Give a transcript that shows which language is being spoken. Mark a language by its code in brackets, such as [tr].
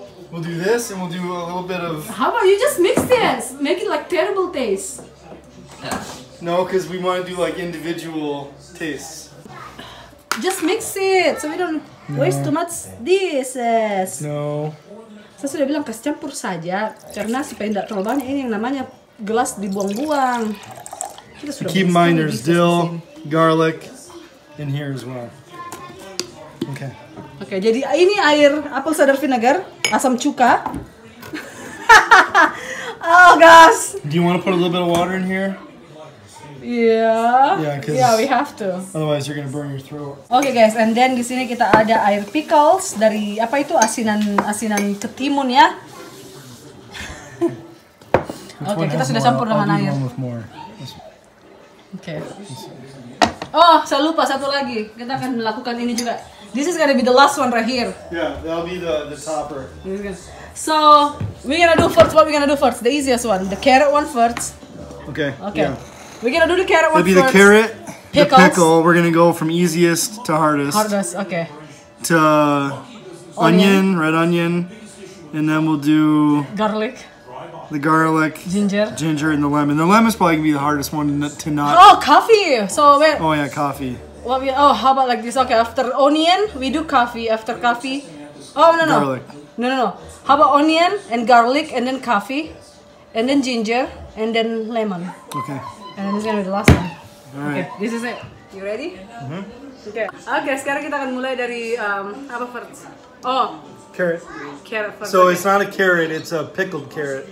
[en] We'll do this and we'll do a little bit of. How about you just mix this? Make it like terrible taste. No, because we want to do like individual tastes. Just mix it so we don't waste too much dishes. No. [id] Saya sudah bilang kasih campur saja karena supaya tidak terlalu banyak ini yang namanya gelas dibuang-buang. [en] Keep mine, there's dill, garlic, in here as well. Okay. [id] Okay, jadi ini air apple cider vinegar, asam cuka. [en] Oh, gosh. Do you want to put a little bit of water in here? Yeah, we have to. Otherwise, you're going to burn your throat. Okay, guys, and then [id] di sini kita ada air pickles dari, apa itu, asinan ketimun, ya. Okay, kita sudah campur dengan air. [en] One with more. [id] Okay. Oh, saya lupa satu lagi. Kita akan melakukan ini juga. [en] This is gonna be the last one right here. Yeah, that'll be the topper. So, what we gonna do first? The easiest one, the carrot one first. Okay. Yeah. We gonna do the carrot one first. It'll be the carrot, pickles. The pickle. We're gonna go from easiest to hardest. Hardest, okay. To onion, red onion, and then we'll do garlic. The garlic, ginger, and the lemon. The lemon's probably gonna be the hardest one to not. Oh, coffee! So wait. Oh yeah, coffee. What we? Oh, how about like this? Okay, after onion, we do coffee. After coffee, oh no. Garlic. No. How about onion and garlic and then coffee, and then ginger and then lemon. Okay. And then this is gonna be the last one. All right. Okay, this is it. You ready? Mm-hmm. Okay. [id] Sekarang kita akan mulai dari apa first? Oh. [en] Carrot. Carrot first. So okay. It's not a carrot, it's a pickled carrot.